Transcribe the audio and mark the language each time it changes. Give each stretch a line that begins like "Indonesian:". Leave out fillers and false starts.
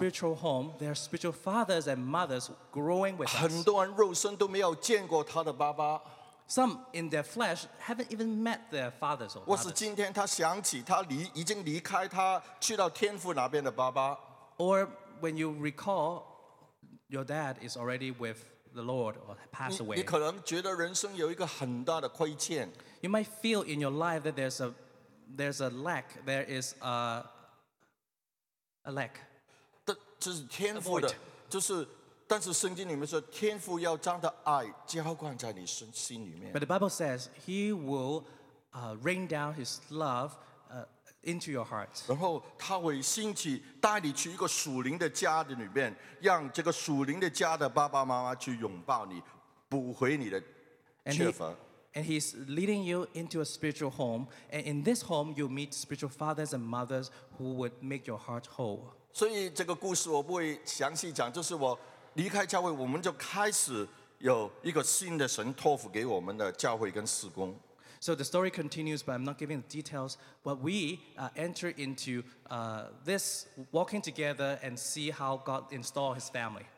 English: In this spiritual home, there are spiritual fathers and mothers growing with us.
Chinese: 很多人肉身都没有见过他的爸爸。
English: Some in their flesh haven't even met their fathers or mothers.
Chinese: 或是今天他想起他已经离开他去到天父那边的爸爸。
English: Or when you recall, your dad is already with the Lord or passed away.
Chinese: 你可能觉得人生有一个很大的亏欠。
English: You might feel in your life that there's a lack. There is a lack.
Chinese: 这是天父的，就是。但是圣经里面说，天父要将他爱浇灌在你心里面。
English: But the Bible says He will rain down His love into your heart.
Chinese: 然后他会兴起带你去一个属灵的家的里面，让这个属灵的家的爸爸妈妈去拥抱你，补回你的缺乏。
English: And He's leading you into a spiritual home. And in this home, you meet spiritual fathers and mothers who would make your heart whole.
Chinese: 所以这个故事我不会详细讲，就是我。离开教会，我们就开始有一个新的神托付给我们的教会跟事工。
English: So the story continues, but I'm not giving the details. But we enter into this walking together and see how God installed His family.